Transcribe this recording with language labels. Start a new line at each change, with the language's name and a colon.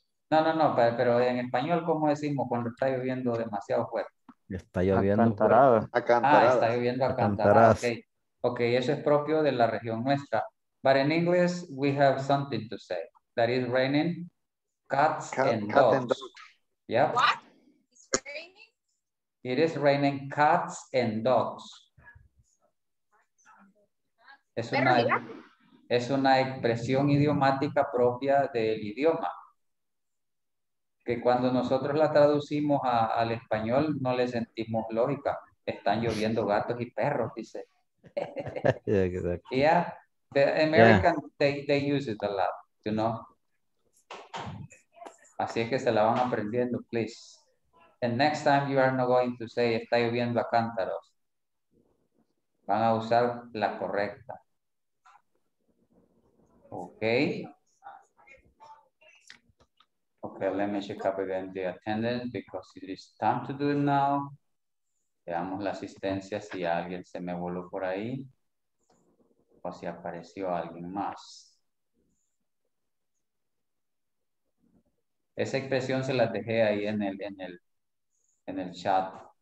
Spanish: No, pero en español, ¿cómo decimos cuando está lloviendo demasiado fuerte? Está lloviendo acantarada. Ah, está lloviendo acantarada. Okay, eso es propio de la región nuestra.
English: But in English, we have something to say. That is raining cats and dogs. Yep. What? It's raining? It is raining cats and dogs.
Spanish: Es una expresión idiomática propia del idioma. Que cuando nosotros la traducimos al español, no le sentimos lógica. Están lloviendo gatos y perros, dice.
English: Yeah, exactly. Yeah, the American, yeah. They use it a lot, you know.
Spanish: Así es que se la van aprendiendo, please.
English: And next time you are not going to say,
Spanish: está lloviendo a cántaros. Van a usar la correcta.
English: Okay. Okay, let me check up again the attendance because it is time to do it now.
Spanish: Veamos la asistencia si alguien se me voló por ahí o si apareció alguien más. Esa expresión se la dejé ahí en el chat.